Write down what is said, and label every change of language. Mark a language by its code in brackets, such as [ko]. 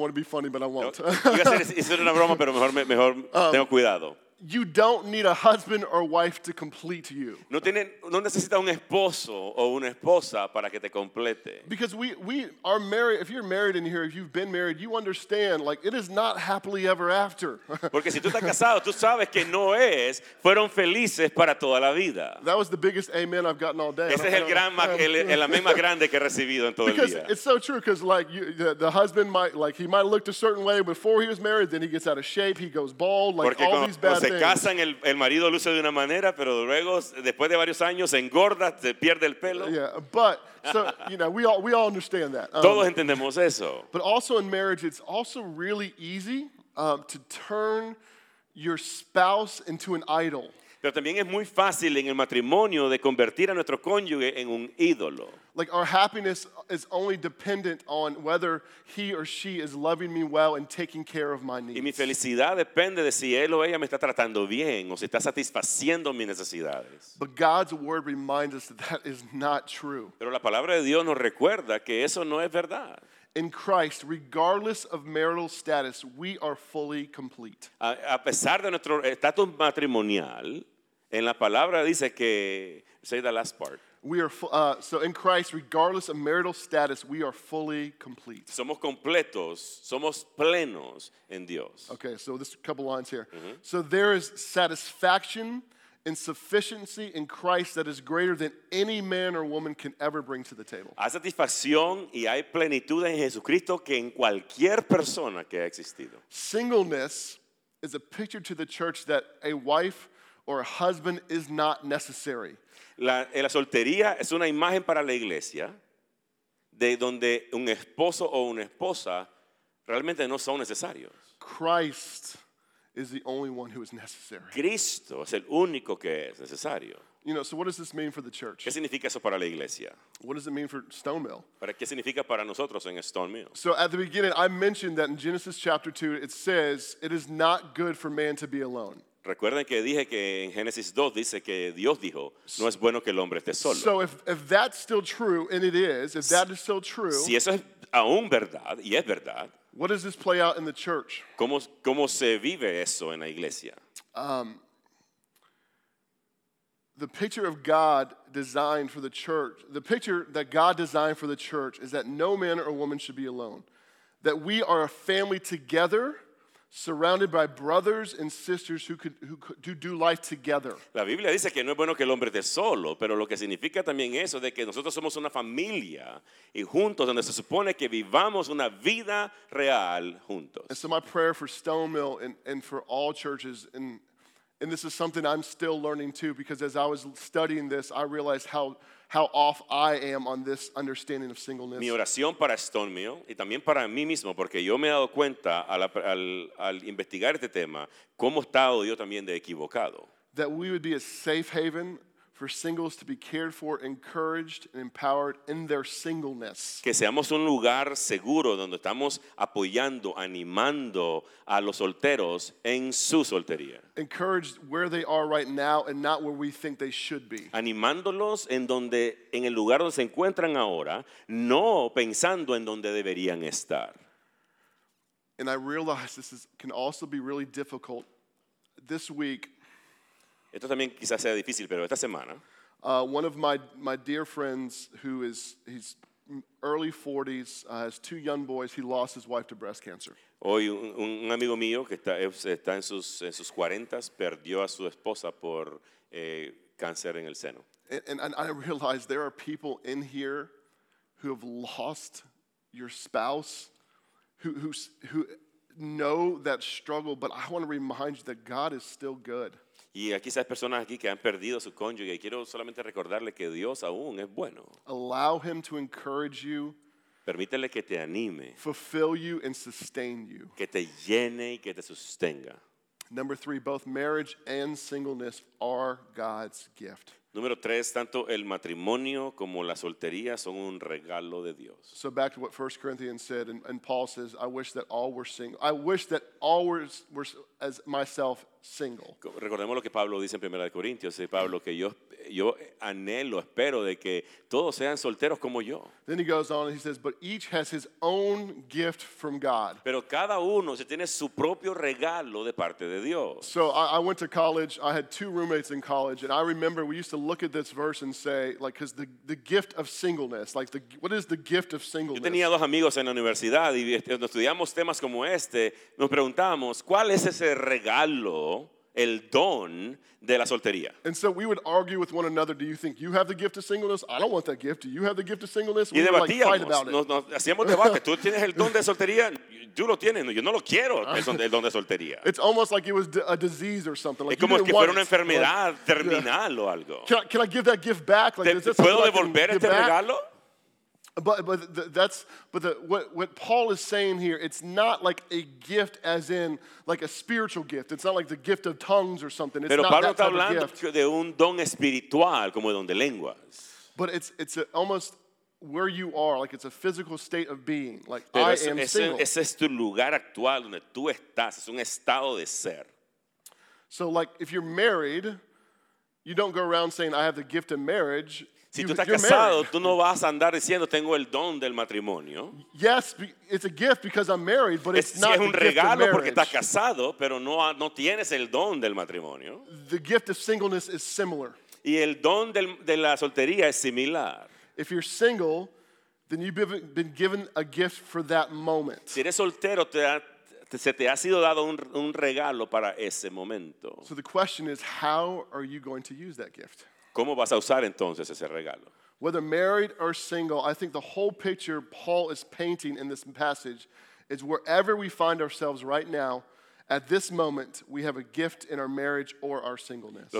[en] I want to be funny, but I won't. [es] Es una broma, pero mejor tengo cuidado. [en] You don't need a husband or wife to complete you. [es] No necesitas un esposo o una esposa para que te complete. [en] Because we are married. If you're married in here, if you've been married, you understand, like, it is not happily ever after. [es] Porque si tú estás casado, tú sabes que no es, fueron felices para toda la vida. [en] That was the biggest amen I've gotten all day. [es] Ese es el amén más grande que he recibido en todo [en] because [es] el día. [en] It's so true, because, like, the husband might have looked a certain way before he was married, then he gets out of shape, he goes bald, like, [es] porque [en] all these bad. [es] Se casan, el marido luce de una manera, pero luego, después de varios años, se engorda, se pierde el pelo. [en] Yeah, but, so, you know, we all understand that. [es] Todos entendemos eso. [en] But also in marriage, it's also really easy to turn your spouse into an idol. [es] Pero también es muy fácil en el matrimonio de convertir a nuestro cónyuge en un ídolo. [en] Like, our happiness is only dependent on whether he or she is loving me well and taking care of my needs. [es] Y mi felicidad depende de si él o ella me está tratando bien o si está satisfaciendo mis necesidades. [en] But God's word reminds us that is not true. [es] Pero la palabra de Dios nos recuerda que eso no es verdad. [en] In Christ, regardless of marital status, we are fully complete. [es] A pesar de nuestro estatus matrimonial, en la palabra dice que, [en] say the last part. We are so in Christ, regardless of marital status, we are fully complete. [es] Somos completos, somos plenos en Dios. [en] Okay, so this a couple lines here. Mm-hmm. So there is satisfaction and sufficiency in Christ that is greater than any man or woman can ever bring to the table. [es] Hay satisfacción y hay plenitud en Jesucristo que en cualquier persona que ha existido. [en] Singleness is a picture to the church that a wife or a husband is not necessary. [es] La soltería es una imagen para la iglesia de donde un esposo o una esposa realmente no son necesarios. [en] Christ is the only one who is necessary. [es] Cristo es el único que es necesario. [en] You know, so what does this mean for the church? [es] ¿Qué significa eso para la iglesia? [en] What does it mean for Stonemill? [es] ¿Para qué significa para nosotros en Stonemill? [en] So at the beginning, I mentioned that in Genesis chapter 2, it says, it is not good for man to be alone. [es] Recuerden que dije que en Génesis 2 dice que Dios dijo, no es bueno que el hombre esté solo. [en] So if that's still true, and it is, if that is still true. [es] Si eso es aún verdad, y es verdad. [en] What does this play out in the church? [es] ¿Cómo se vive eso en la iglesia? [en] The picture of God designed for the church, the picture that God designed for the church is that no man or woman should be alone. That we are a family together surrounded by brothers and sisters who do life together. [es] La Biblia dice que no es bueno que el hombre esté solo, pero lo que significa también eso de que nosotros somos una familia y juntos donde se supone que vivamos una vida real juntos. [en] And so my prayer for Stonemill and for all churches, and this is something I'm still learning too, because as I was studying this, I realized how off I am on this understanding of singleness. [es] Mi oración para Stonemill y también para mí mismo, porque yo me he dado cuenta al investigar este tema cómo he estado yo también de equivocado. [en] That we would be a safe haven for singles to be cared for, encouraged, and empowered in their singleness. [es] Que seamos un lugar seguro donde estamos apoyando, animando a los solteros en su soltería. [en] Encouraged where they are right now and not where we think they should be. [es] Animándolos en el lugar donde se encuentran ahora, no pensando en donde deberían estar. [en] And I realize this can also be really difficult this week. [es] Esto también quizás sea difícil, pero esta semana. [en] One of my dear friends, he's early 40s, has two young boys. He lost his wife to breast cancer. [es] Hoy un amigo mío que está en sus 40s perdió a su esposa por cáncer en el seno. [en] And I realize there are people in here who have lost your spouse, who know that struggle. But I want to remind you that God is still good. [es] Y aquí hay personas aquí que han perdido a su cónyuge y quiero solamente recordarle que Dios aún es bueno. [en] Allow him to encourage you. [es] Permítele que te anime. [en] Fulfill you and sustain you. [es] Que te llene y que te sostenga. [en] Number three, both marriage and singleness are God's gift. [es] Número tres, tanto el matrimonio como la soltería son un regalo de Dios. [en] So back to what 1 Corinthians said, and Paul says, I wish that all were single. I wish that all were as myself single. [es] Recordemos lo que Pablo dice en 1 Corintios, Pablo, que yo anhelo, espero de que todos sean solteros como yo. [en] Then he goes on and he says, but each has his own gift from God. [es] Pero cada uno se tiene su propio regalo de parte de Dios. [en] So I went to college. I had two roommates in college, and I remember we used to look at this verse and say, like, because the gift of singleness, like, what is the gift of singleness? [es] Yo tenía dos amigos en la universidad y estudiamos temas como este. Nos preguntamos, ¿cuál es ese regalo, el don de la soltería? [en] And so we would argue with one another, do you think you have the gift of singleness? I don't want that gift. Do you have the gift of singleness? We would like fight about it. [es] Nos hacíamos debate. ¿Tú tienes el don de soltería? Tú lo tienes. Yo no lo quiero, el don de soltería. [en] It's almost like it was a disease or something. Like, [es] es como que fuera una enfermedad terminal o algo. [en] Can I give that gift back? [es] Like, ¿te puedo devolver este regalo? [en] But what Paul is saying here, it's not like a gift as in like a spiritual gift. It's not like the gift of tongues or something. It's [es] pero [en] not [es] Pablo [en] that type [es] está [en] of gift. [es] De un don espiritual como el don de lenguas. [en] But it's almost where you are, like it's a physical state of being. Like [es] pero [en] I am single. [es] Ese es tu lugar actual donde tú estás. Es un estado de ser. [en] So like if you're married, you don't go around saying I have the gift of marriage. [es] Si tú estás casado, tú no vas a andar diciendo tengo el don del matrimonio. [en] Yes, it's a gift because I'm married, but it's not. [es] Es un regalo porque estás casado, pero no tienes el don del matrimonio. [en] The gift of singleness is similar. [es] Y el don de la soltería es similar. [en] If you're single, then you've been given a gift for that moment. [es] Si eres soltero, se te ha sido dado un regalo para ese momento. [en] So the question is, how are you going to use that gift? [es] ¿Cómo vas a usar entonces ese regalo? [en] Whether married or single, I think the whole picture Paul is painting in this passage is wherever we find ourselves right now, at this moment, we have a gift in our marriage or our singleness.